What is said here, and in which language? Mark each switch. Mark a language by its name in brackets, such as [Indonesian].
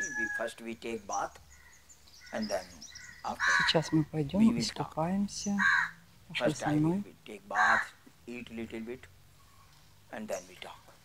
[English] We first we take bath, and then after. [Russian] Сейчас мы пойдем и искупаемся. [English] First time we take bath, eat little bit, and then we talk.